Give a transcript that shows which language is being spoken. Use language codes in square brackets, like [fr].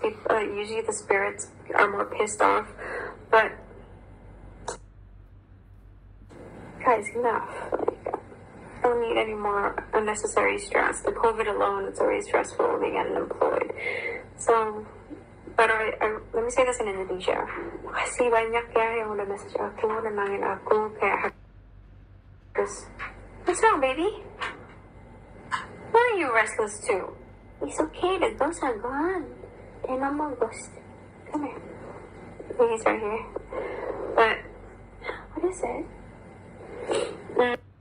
[en] Usually the spirits are more pissed off, but... Guys, enough. Like, I don't need any more unnecessary stress. The COVID alone, it's already stressful being unemployed. So, but let me say this in Indonesia. [id] Masih banyak ya yang udah message aku, nenangin aku, kayak harus. [en] What's wrong, baby? Why are you restless too? It's okay, the ghosts are gone. They're no more ghosts. Come here. He's right here. But, what is it? What?